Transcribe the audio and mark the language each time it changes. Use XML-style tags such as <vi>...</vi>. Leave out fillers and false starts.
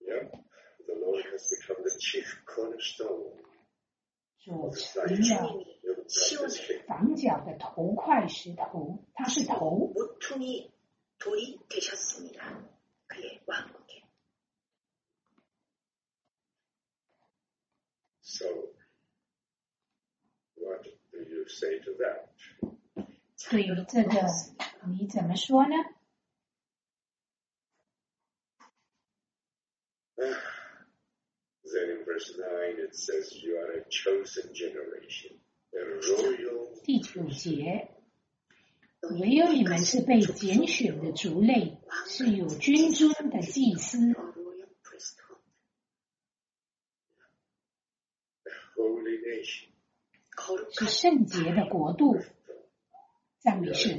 <en>Become the chief cornerstone.</en> <zh>主成了房角的头块石头，它是头。</zh> <ko>모퉁이돌이되셨습니다그의왕국에</ko> <en>So, what do you say to that?</en> <zh>对于这个，你怎么说呢？</zh> <en>Then in verse 9 it says you are a chosen generation, a royal.</en> <zh>第九节，唯有你们是被拣选的族类，是有君尊的祭司。</zh> <en>A holy nation.</en> <zh>是圣洁的国度。赞美神。</zh>